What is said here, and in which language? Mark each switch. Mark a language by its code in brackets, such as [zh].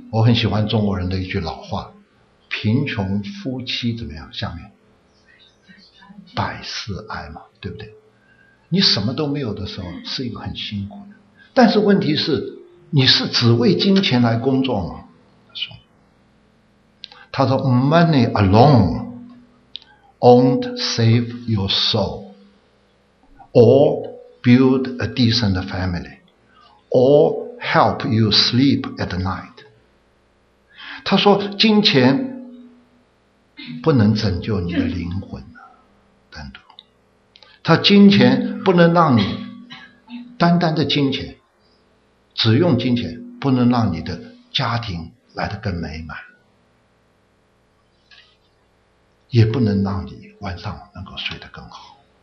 [zh] 我很喜欢中国人的一句老话，贫穷夫妻怎么样，下面百事哀嘛，对不对？你什么都没有的时候是一个很辛苦的，但是问题是你是只为金钱来工作吗？他说 [en] money alone won't save your soulOr build a decent family, or help you sleep at night. [zh] 他说金钱不能拯救你的灵魂，单独。他金钱不能让你，单单的金钱，只用金钱不能让你的家庭来得更美满，也不能让你晚上能够睡得更好。